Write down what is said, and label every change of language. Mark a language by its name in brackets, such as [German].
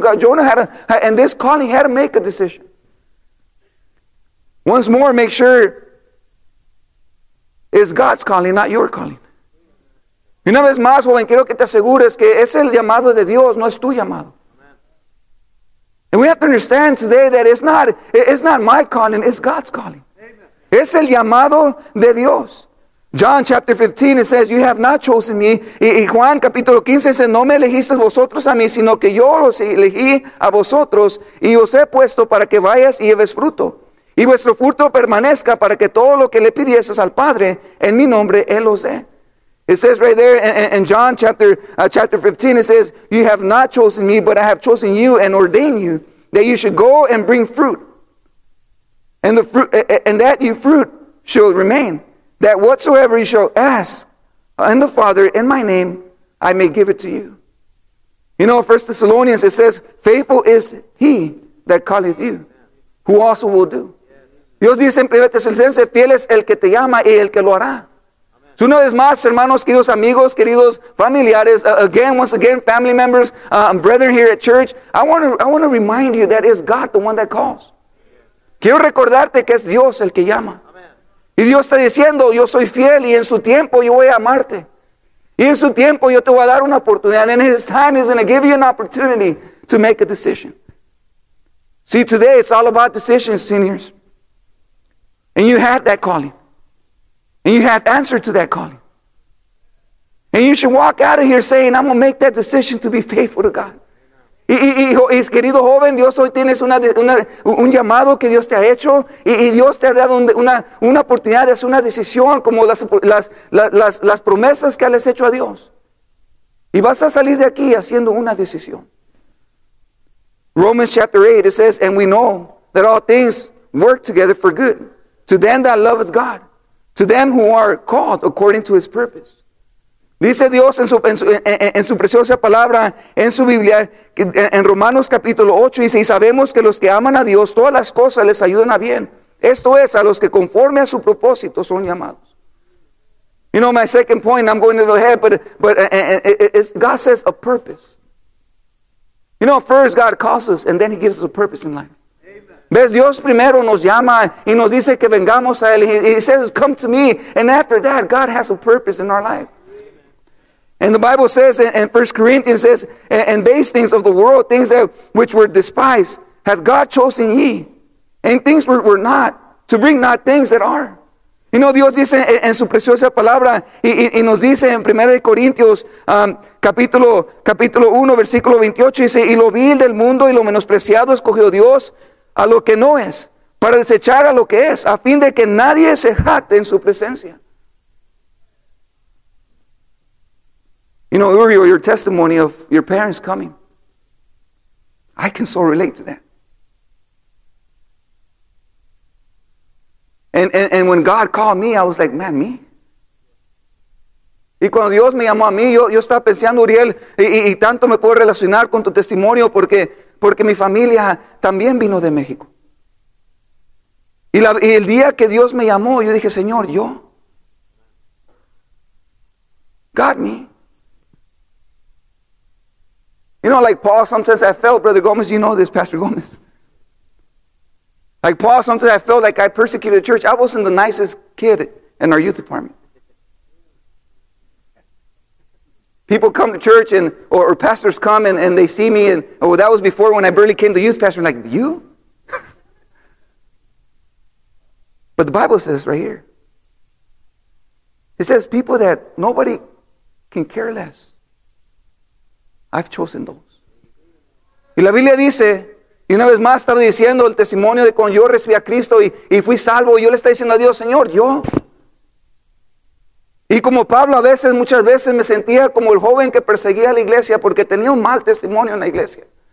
[English] God, Jonah had a, in this calling, he had to make a decision. Once more, make sure it's God's calling, not your calling. [Spanish] Y una vez más, joven, quiero que te asegures que es el llamado de Dios, no es tu llamado. [English] And we have to understand today that it's not my calling, it's God's calling. Amen. [Spanish] Es el llamado de Dios. [English] John chapter 15, it says, you have not chosen me. [Spanish] Y Juan capítulo 15, dice, no me elegiste vosotros a mí, sino que yo los elegí a vosotros, y os he puesto para que vayas y lleves fruto. Y vuestro fruto permanezca para que todo lo que le pidieses al Padre, en mi nombre, Él os dé. [English] It says right there in John chapter 15, it says, you have not chosen me, but I have chosen you and ordained you that you should go and bring fruit. And the fruit, and that your fruit shall remain. That whatsoever you shall ask in the Father in my name, I may give it to you. You know, 1 Thessalonians, it says, faithful is he that calleth you, who also will do. [Spanish] Dios dice en 1 Tesalonicenses, fiel es el que te llama y el que lo hará. Una vez más, hermanos, queridos amigos, queridos familiares, [English] again, once again, family members, brethren here at church, I want to remind you that it's God the one that calls. [Spanish] Quiero recordarte que es Dios el que llama. Y Dios está diciendo, yo soy fiel y en su tiempo yo voy a amarte. Y en su tiempo yo te voy a dar una oportunidad. [English] And in his time, he's going to give you an opportunity to make a decision. See, today it's all about decisions, seniors. And you had that calling. And you have answered to that calling. And you should walk out of here saying, I'm going to make that decision to be faithful to God. [Spanish] Y querido joven, Dios hoy tienes un llamado que Dios te ha hecho. Y Dios te ha dado una oportunidad de hacer una decisión como las promesas que le has hecho a Dios. Y vas a salir de aquí haciendo una decisión. [English] Romans chapter 8, it says, and we know that all things work together for good to them that loveth God. To them who are called according to his purpose. [Spanish] Dice Dios en su preciosa palabra, en su Biblia, en Romanos capítulo 8, dice, y sabemos que los que aman a Dios, todas las cosas les ayudan a bien. Esto es, a los que conforme a su propósito son llamados. [English] You know, my second point, I'm going a little ahead, but God says a purpose. You know, first God calls us, and then he gives us a purpose in life. [Spanish] ¿Ves? Dios primero nos llama y nos dice que vengamos a Él. [English] He says, come to me. And after that, God has a purpose in our life. Amen. And the Bible says, in 1 Corinthians says, and base things of the world, things that which were despised, hath God chosen ye. And things were not, to bring not things that are. You know, [Spanish] Dios dice en su preciosa palabra, y nos dice en 1 Corintios, capítulo 1, versículo 28, dice, y lo vil del mundo y lo menospreciado escogió Dios, a lo que no es, para desechar a lo que es, a fin de que nadie se jacte en su presencia. [English] You know, Uri, your testimony of your parents coming. I can so relate to that. And when God called me, I was like, man, me? [Spanish] Y cuando Dios me llamó a mí, yo estaba pensando, Uriel, y tanto me puedo relacionar con tu testimonio porque mi familia también vino de México. Y el día que Dios me llamó, yo dije, Señor, yo. [English] God, me. You know, like Paul, sometimes I felt, Brother Gomez, you know this, Pastor Gomez. Like Paul, sometimes I felt like I persecuted the church. I wasn't the nicest kid in our youth department. People come to church and or pastors come and they see me and oh, that was before when I barely came to youth pastor. I'm like, you? But the Bible says right here. It says people that nobody can care less. I've chosen those. [Spanish] Y la Biblia dice, y una vez más estaba diciendo el testimonio de cuando yo recibí a Cristo y fui salvo. Y yo le estaba diciendo a Dios, Señor, yo. Y como Pablo, a veces, muchas veces me sentía como el joven que perseguía a la iglesia porque tenía un mal testimonio en la iglesia.